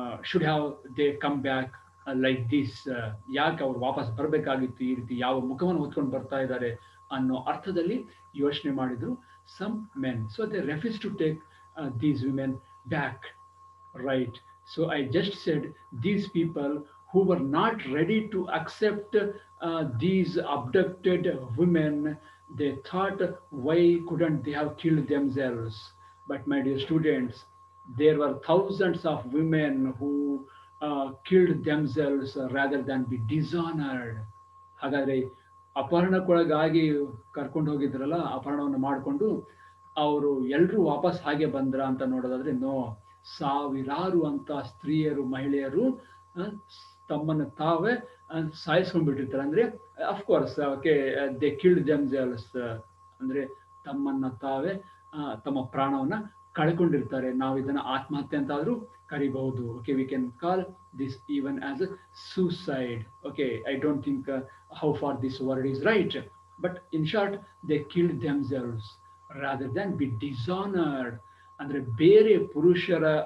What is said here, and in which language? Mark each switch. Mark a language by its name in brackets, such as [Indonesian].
[English] should have they come back like this [Kannada] ಯಾಕೆ ಅವ್ರು ವಾಪಸ್ ಬರಬೇಕಾಗಿತ್ತು ಈ ರೀತಿ ಯಾವ ಮುಖವನ್ನು ಹೊತ್ಕೊಂಡು ಬರ್ತಾ ಇದ್ದಾರೆ ಅನ್ನೋ ಅರ್ಥದಲ್ಲಿ ಯೋಚನೆ ಮಾಡಿದರು [English] Some men so they refuse to take these women back right so I just said these people who were not ready to accept these abducted women, they thought, why couldn't they have killed themselves? But my dear students, there were thousands of women who killed themselves rather than be dishonored. [Kannada] ಹಾಗಾದ್ರೆ ಅಪಹರಣಕ್ಕೊಳಗಾಗಿ ಕರ್ಕೊಂಡು ಹೋಗಿದ್ರಲ್ಲ ಅಪಹರಣವನ್ನು ಮಾಡಿಕೊಂಡು ಅವರು ಎಲ್ಲರೂ ವಾಪಸ್ ಹಾಗೆ ಬಂದ್ರ ಅಂತ ನೋಡೋದಾದ್ರೆ ನೋ ಸಾವಿರಾರು ಅಂತ ಸ್ತ್ರೀಯರು ಮಹಿಳೆಯರು ತಮ್ಮನ್ನು ತಾವೇ ಸಾಯಿಸ್ಕೊಂಡ್ಬಿಟ್ಟಿರ್ತಾರೆ ಅಂದರೆ [English] of course okay they killed themselves [Kannada] ಅಂದರೆ ತಮ್ಮನ್ನು ತಾವೇ ತಮ್ಮ ಪ್ರಾಣವನ್ನು ಕಳ್ಕೊಂಡಿರ್ತಾರೆ ನಾವು ಇದನ್ನು ಆತ್ಮಹತ್ಯೆ ಅಂತಾದರೂ ಕರಿಬಹುದು [English] okay we can call this even as a suicide okay I don't think how far this word is right but in short they killed themselves rather than be dishonoured [Kannada] ಅಂದರೆ ಬೇರೆ ಪುರುಷರ